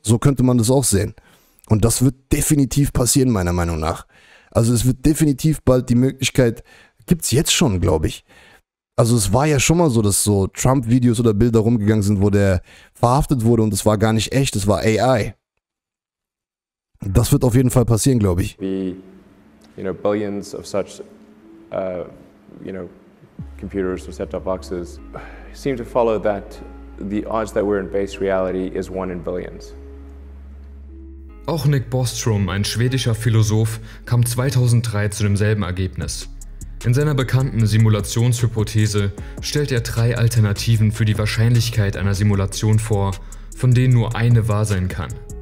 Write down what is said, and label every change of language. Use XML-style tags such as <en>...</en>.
<de>So könnte man das auch sehen. Und das wird definitiv passieren, meiner Meinung nach. Also es wird definitiv bald die Möglichkeit, gibt's jetzt schon, glaube ich. Also es war ja schon mal so, dass so Trump-Videos oder Bilder rumgegangen sind, wo der verhaftet wurde und es war gar nicht echt, es war AI. Das wird auf jeden Fall passieren, glaube ich.</de> <en>Wie, you know, billions of such, you know, computers or set-top boxes seem to follow that the odds that we're in base reality is one in billions.</en> <de>Auch Nick Bostrom, ein schwedischer Philosoph, kam 2003 zu demselben Ergebnis. In seiner bekannten Simulationshypothese stellt er drei Alternativen für die Wahrscheinlichkeit einer Simulation vor, von denen nur eine wahr sein kann.</de>